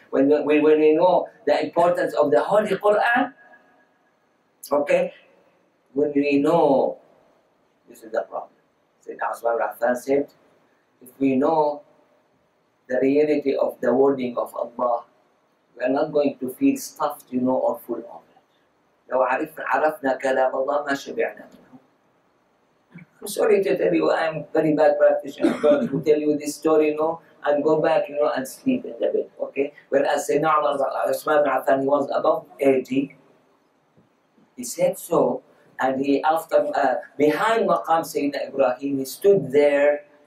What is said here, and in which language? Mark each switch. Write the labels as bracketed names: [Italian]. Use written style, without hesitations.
[English] When we know the importance of the Holy Quran, okay? When we know, this is the problem. Sayyid Aswar Rahman said, if we know the reality of the wording of Allah, we are not going to feel stuffed, you know, or full of it. [Arabic] لو عرفنا كلام الله ما شبعنا منه. [English] I'm sorry to tell you, I'm very bad practitioner. I'm going to tell you this story, you know, and go back, you know, and sleep in the bed, okay? Whereas Sayyidina Aswar Rahman, he was above 80, he said so. And he, after, behind Maqam Sayyidina Ibrahim, he stood there.